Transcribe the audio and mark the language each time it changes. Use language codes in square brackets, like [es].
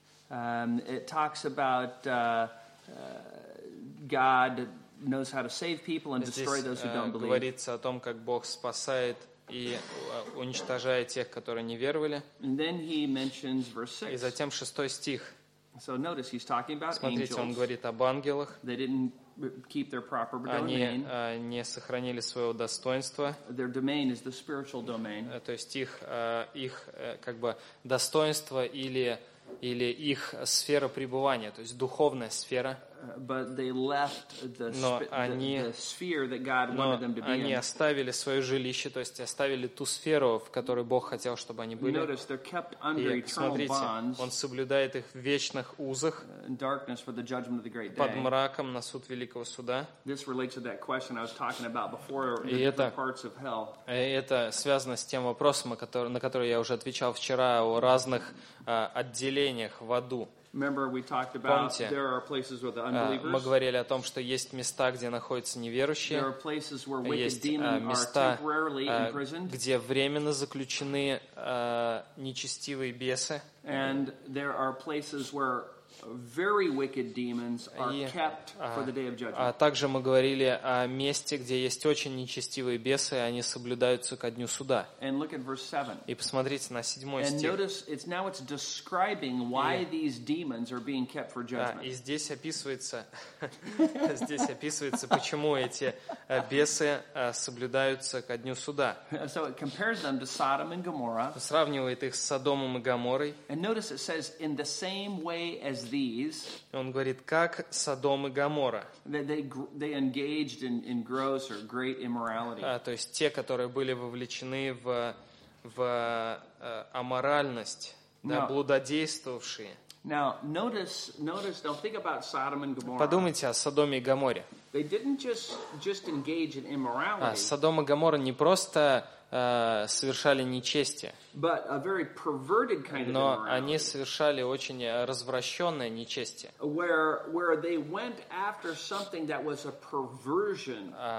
[en] It talks about God knows how to save people and [ru] здесь [en] destroy those who don't believe. [ru] Говорится о том, как Бог спасает и уничтожает тех, которые не веровали. [en] And then he mentions verse 6. [ru] И затем шестой стих. [en] So notice he's talking about angels. [ru] Смотрите, он говорит об ангелах. [en] They didn't keep their proper domain. [ru] Они не сохранили своего достоинства. [en] Their domain is the spiritual domain. [ru] То есть их как бы достоинство или их сфера пребывания, то есть духовная сфера. [en] But they left the sphere that God wanted them to be in. [ru] Они оставили свое жилище, то есть оставили ту сферу, в которой Бог хотел, чтобы они были. [en] Notice they're kept under eternal bonds. [ru] Он соблюдает их в вечных узах. [en] Darkness for the judgment of the great day. [ru] Под мраком на суд великого суда. [en] This relates to that question I was talking about before, the different parts of hell. [ru] И это связано с тем вопросом, на который я уже отвечал вчера, о разных отделениях в аду. [en] Remember we talked about. [ru] Помните, [en] there are places where the unbelievers. [ru] Мы говорили о том, что есть места, где находятся неверующие. [en] There are places where wicked demons are temporarily imprisoned. [ru] Где временно заключены нечестивые бесы. [en] And there are places where very wicked demons are kept for the day of judgment. [ru] Также мы говорили о месте, где есть очень нечестивые бесы, и они соблюдаются ко дню суда. [en] And look at verse 7. [ru] И посмотрите на 7 стих. [en] And notice it's now it's describing why these demons are being kept for judgment. [ru] И здесь описывается здесь описывается, почему эти бесы соблюдаются ко дню суда. [en] So it compares them to Sodom and Gomorrah. [ru] Сравнивает их с Содомом и Гоморой. [en] And notice it says in the same way as these. [ru] Он говорит, как Содом и Гоморра. [en] They engaged in gross or great immorality. [ru] То есть те, которые были вовлечены в аморальность, да, блудодействовавшие. [en] Now notice now think about Sodom and Gomorrah. [ru] Подумайте о Содоме и Гоморре. [en] They didn't just engage in immorality. [ru] Содом и Гоморра не просто совершали нечестие, [en] but a very perverted kind of immorality. [ru] Но они совершали очень развращенное нечестие. [en] Where they went after something that was a perversion.